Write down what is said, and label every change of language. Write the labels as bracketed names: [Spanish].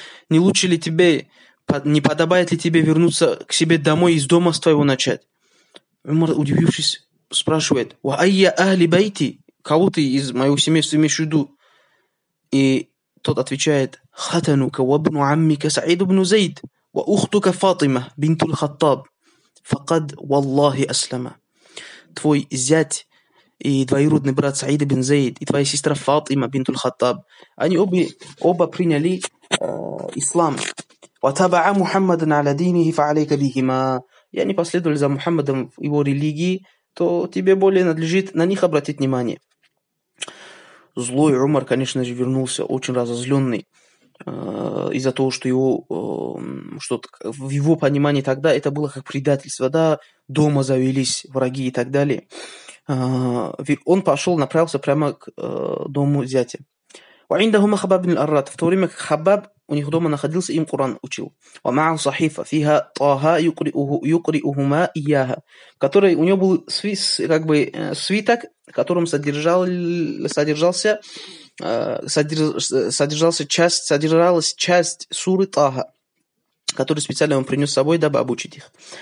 [Russian] Не лучше ли тебе, не подобает ли тебе вернуться к себе домой из дома твоего начать? [Arabic] Умар, [Russian] удивившись, спрашивает: [Arabic] «Ва айя ахли байти?» [Russian] Кого ты из моего семейства имеешь в виду? И тот отвечает: [Arabic] «Хатанука вабну аммика Саид ибн Зейд. وأختك فاطمة بنت الخطاب فقد والله أسلم. [Russian] Твой зять и двоюродный брат Саид ибн Зейд и твоя сестра Фатима бинт аль-Хаттаб, они оба приняли [Arabic] اسلام وتابع محمد على دينه فعليك بهما. يعني [Russian] последовал за Мухаммадом его религии, то тебе более надлежит на них обратить внимание. Злой Умар, конечно же, вернулся очень разозленный из-за того, что его, что в его понимании тогда это было как предательство, да, дома завелись враги и так далее. Он пошел, направился прямо к дому зятя. [Arabic] وعندهما خباب بن الأرات. [Russian] В то время как Хабаб у них дома находился, им Коран учил. [Arabic] ومعه صحيفة فيها طه يقرئهما إياها. [Russian] Который у него был как бы свиток, которым содержалась часть суры Таха, которую специально он принес с собой, дабы обучить их.